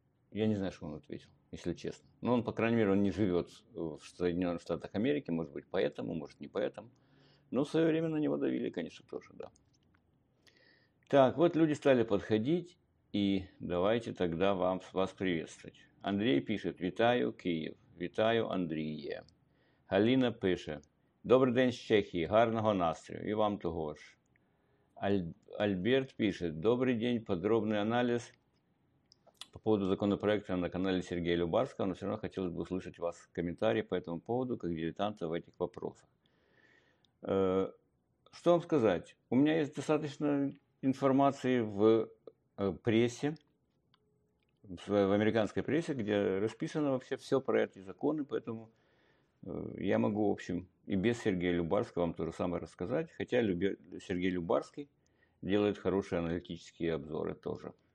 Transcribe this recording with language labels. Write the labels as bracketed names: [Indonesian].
[Russian] Я не знаю, что он ответил, если честно. Но он, по крайней мере, он не живет в Соединенных Штатах Америки. Может быть, поэтому, может, не поэтому. Но в свое время на него давили, конечно, тоже, да. Так, вот люди стали подходить. И давайте тогда вас приветствовать. Андрей пишет, витаю, Киев. [Ukrainian] Витаю, Андрія. Галина пише, добрий день з Чехії, гарного настрою. І вам того ж. Альберт пише, добрий день, подробний аналіз [Russian] по поводу [Ukrainian] законопроекту на каналі Сергія Любарського. [Russian] Но все равно [Ukrainian] хотілося б [Russian] услышать вас коментарі по этому поводу, как дилетанта в этих вопросах. Что вам сказать? У меня есть достаточно информации в... прессе, в американской прессе, где расписано вообще все про эти законы, поэтому я могу, в общем, и без Сергея Любарского вам то же самое рассказать, хотя Сергей Любарский делает хорошие аналитические обзоры тоже.